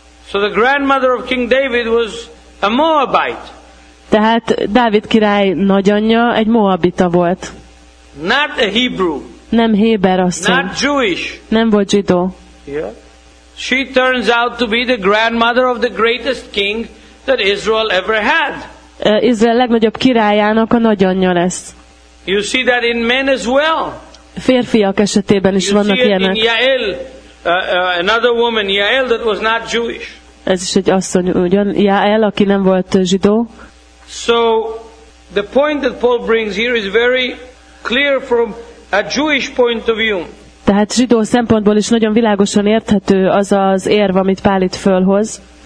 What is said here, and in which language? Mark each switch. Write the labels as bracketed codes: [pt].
[en] So the grandmother of King David was a Moabite. [hu] Tehát Dávid király nagyanyja egy Moabita volt. [en] Not a Hebrew. [hu] Nem héber asszony. [en] Not Jewish. [hu] Nem volt zsidó. [en] Yeah. She turns out to be the grandmother of the greatest king that Israel ever had. [hu] Izrael legnagyobb királyának a nagyanyja lesz. [en] You see that in men as well. [hu] Férfiak esetében is [en] you [hu] vannak [en] see it [hu] ilyenek. [en] In Yael, another woman, Yael that was not Jewish. [hu] Ez is egy asszony, ugyan Yael, aki nem volt zsidó. [en] So the point that Paul brings here is very clear from a Jewish point of view. [hu] Tehát zsidó szempontból is nagyon világosan érthető az az érv, amit Pál itt fölhoz.